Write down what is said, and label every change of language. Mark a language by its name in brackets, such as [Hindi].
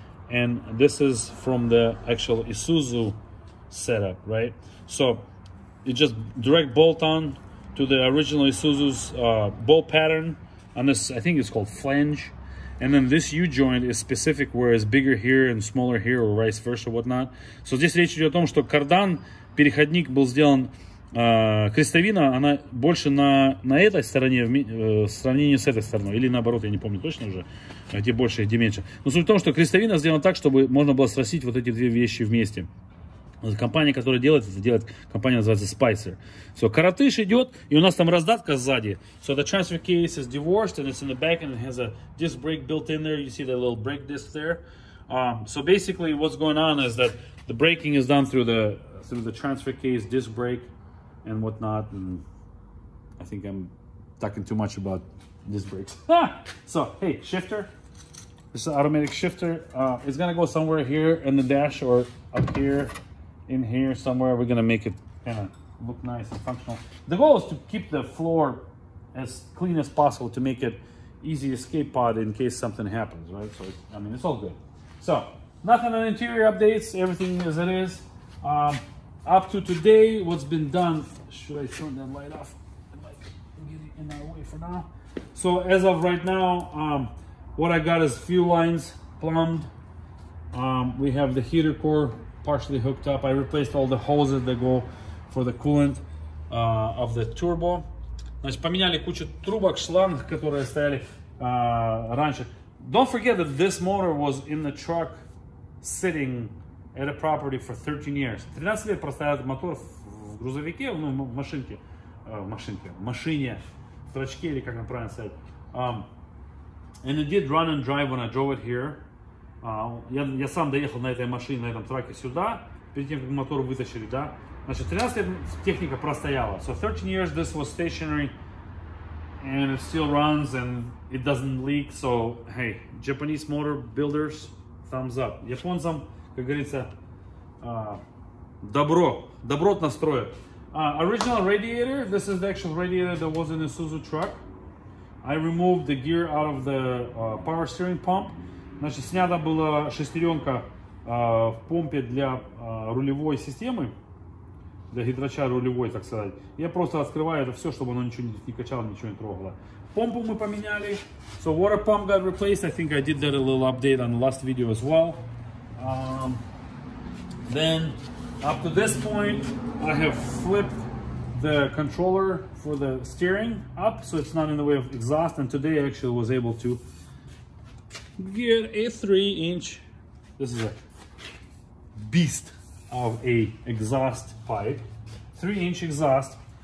[English] And this is from the actual Isuzu setup, right? So it just direct bolt on to the original Isuzu's bolt pattern on this, I think it's called flange. And then this U-joint is specific where it's bigger here and smaller here or vice versa, whatnot. [Russian] So здесь речь идет о том, что кардан, переходник был сделан, крестовина, она больше на этой стороне в сравнении с этой стороной. Или наоборот, я не помню точно уже, где больше, где меньше. Но суть в том, что крестовина сделана так, чтобы можно было срастить вот эти две вещи вместе. Компания, которая делает это, компания называется Spicer. So, коротыш идет, и у нас там раздатка сзади. [English] So, the transfer case is divorced, and it's in the back, and it has a disc brake built in there. You see the little brake disc there. So, basically, what's going on is that the braking is done through the transfer case, disc brake, and whatnot. And I think I'm talking too much about disc brakes. So, hey, shifter. This is an automatic shifter. It's going to go somewhere here in the dash or up here. In here somewhere, we're gonna make it kind of look nice and functional. The goal is to keep the floor as clean as possible to make it easy escape pod in case something happens, right? So I mean, it's all good. So nothing on interior updates, everything as it is. Up to today, what's been done, should I turn that light off? It might get in our way for now. So as of right now, what I got is fuel lines plumbed. We have the heater core partially hooked up. I replaced all the hoses that go for the coolant of the turbo. [Russian] Значит, поменяли кучу трубок, шланг, которые стояли раньше. [English] Don't forget that this motor was in the truck sitting at a property for 13 years. [Russian] 13 лет простоял мотор в грузовике, ну, в машине, в трачке, или как она правильно сказать. [English] And it did run and drive when I drove it here. [Russian] Я сам доехал на этой машине, на этом траке сюда, перед тем, как мотор вытащили, да? Значит, 13 лет техника простояла. [English] So 13 years this was stationary, and it still runs, and it doesn't leak. So, hey, Japanese motor builders, thumbs up. [Russian] Японцам, как говорится, добро настроят. [English] Original radiator, this is the actual radiator that was in the Isuzu truck. I removed the gear out of the power steering pump. [Russian] Значит, снята была шестеренка в помпе для рулевой системы, для гидроча рулевой, так сказать. Я просто открываю это все, чтобы оно ничего не качало, ничего не трогало. Помпу мы поменяли. [English] So water pump got replaced. I think I did that a little update on the last video as well. Then up to this point, I have flipped the controller for the steering up, so it's not in the way of exhaust. And today I actually was able to get a 3-inch, this is a beast of a exhaust pipe, 3-inch exhaust.